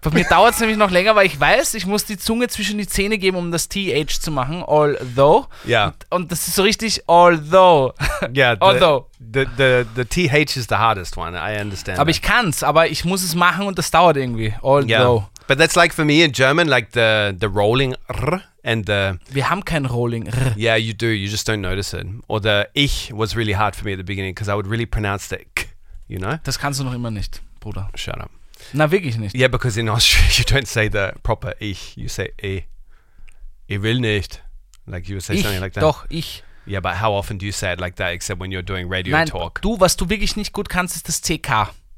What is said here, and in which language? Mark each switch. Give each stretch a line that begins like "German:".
German: Bei mir dauert es nämlich noch länger, weil ich weiß, ich muss die Zunge zwischen die Zähne geben, um das TH zu machen.
English: Although. Yeah.
German: Und das ist so richtig, although.
English: Yeah. Although. The TH is the hardest one. I understand.
German: Aber ich kann's, aber ich muss es machen und das dauert irgendwie. Although.
English: Yeah. But that's like for me in German, like the rolling R and the...
German: Wir haben kein rolling R.
English: Yeah, you do. You just don't notice it. Or the Ich was really hard for me at the beginning because I would really pronounce the K, you know?
German: Das kannst du noch immer nicht, Bruder.
English: Shut up.
German: Na, wirklich nicht.
English: Yeah, because in Austria you don't say the proper Ich. You say eh.
German: Ich will nicht.
English: Like you would say
German: ich,
English: something like that.
German: Doch, ich.
English: Yeah, but how often do you say it like that except when you're doing radio
German: Nein,
English: talk?
German: Du, was du wirklich nicht gut kannst, ist das CK.